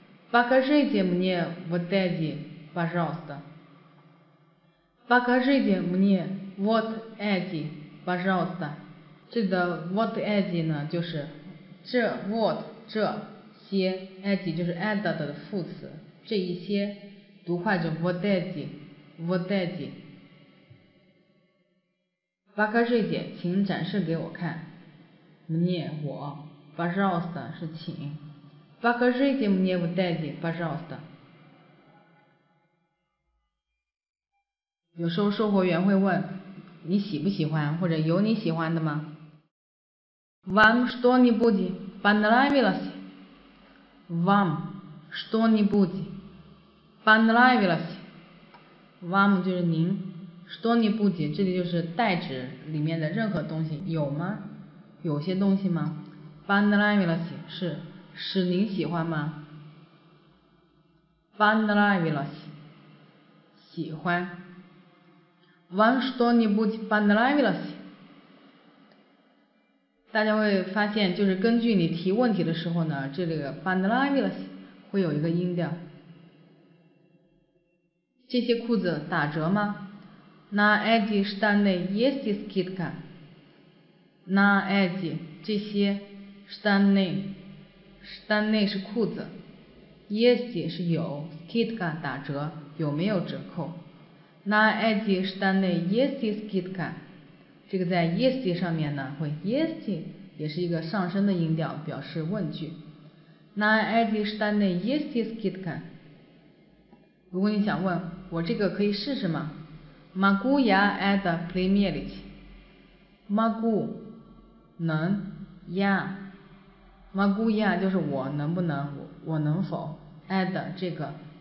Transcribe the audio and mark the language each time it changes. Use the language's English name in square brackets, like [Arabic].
[Russian] Покажите мне вот эти, пожалуйста. Покажите мне вот эти, пожалуйста. [Chinese] 这个 вот эти 呢，就是这 вот 这些 эти 就是 этот 的副词。这一些读快就 [Russian] вот эти, вот эти。 Покажите, [Chinese] 请展示给我看。 [Russian] Мне, 我 [Chinese] пожалуйста, 是请。 [Russian] Покажите мне вот эти, пожалуйста。 [Chinese] 有时候售货员会问你喜不喜欢，或者有你喜欢的吗？ [Russian] Вам что-нибудь понравилось? Вам что-нибудь понравилось? [Chinese] Вам 就是您， что 你不解，这里就是代指里面的任何东西，有吗？有些东西吗？ [Russian] понравилось [Chinese] 是使您喜欢吗？ [Russian] понравилось [Chinese] 喜欢。 [Russian] Вам что-нибудь понравилось? [Chinese] 大家会发现，就是根据你提问题的时候呢，这里的 понравилось 会有一个音调。这些裤子打折吗？ [Russian] На эти штаны есть скидка? На эти 这些 штаны, [Chinese] штаны 是裤子， [Russian] есть [Chinese] 是有， скидка 打折，有没有折扣？ [Russian] На эти штаны есть скидка? [Chinese] 这个在 есть 上面呢，会 есть 也是一个上升的音调，表示问句。 [Russian] На эти штаны есть скидка? [Chinese] 如果你想问我这个可以试试吗？ [Russian] могу я это примерить? могу 能 я [Chinese] могу я 就是我能不能， 我能否 это 这个